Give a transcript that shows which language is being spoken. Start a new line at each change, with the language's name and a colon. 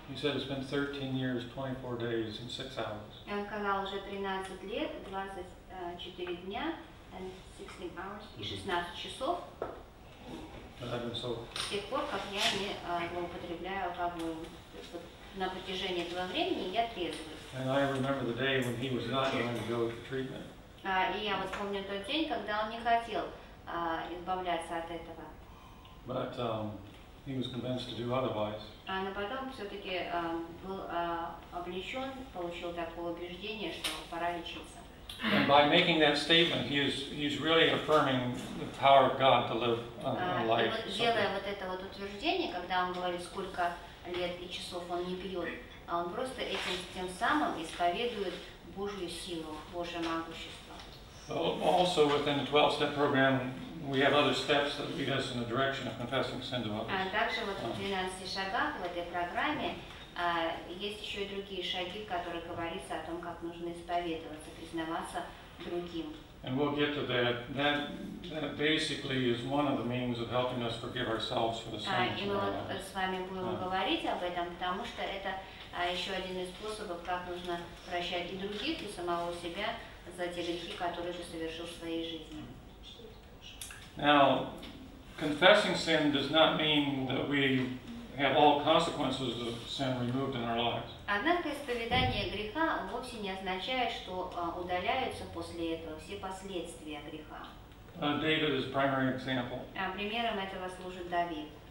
English: He said it's been 13 years, 24 days and 6 hours.
Russian: Он сказал, уже 13 лет, 24 дня
English: and 16 hours
Russian: и 16 часов.
English: But I've been sober.
Russian: С тех пор, как я не употребляю алкоголь. На протяжении этого времени я трезвый.
English: And I remember the day when he was not going to go to treatment.
Russian: И я вот помню тот день, когда он не хотел избавляться от этого.
English: But he was convinced to do otherwise.
Russian: Но потом все-таки был облечен, получил такое убеждение, что пора лечиться.
English: And by making that statement, he's really affirming the power of God to live a life.
Russian: И вот, делая вот это вот утверждение, когда он говорит, сколько лет и часов он не пьет, а он просто этим тем самым исповедует Божью силу, Божье могущество.
English: So also within the 12-step program, we have other steps that lead us in the direction of confessing sin to others.
Russian: Также вот в 12 шагах в этой программе есть еще и другие шаги, в которых говорится о том, как нужно исповедоваться, признаваться другим.
English: And we'll get to that. That basically is one of the means of helping us forgive ourselves for the sins of others.
Russian: И мы вот с вами будем говорить об этом, потому что это еще один из способов, как нужно прощать и других, и самого себя за те грехи, которые ты совершил в своей жизни.
English: Now, confessing sin does not mean that we have all consequences of sin removed in our lives.
Russian: Однако исповедание греха вовсе не означает, что удаляются после этого все последствия греха.
English: David is a primary example.
Russian: Примером этого служит Давид.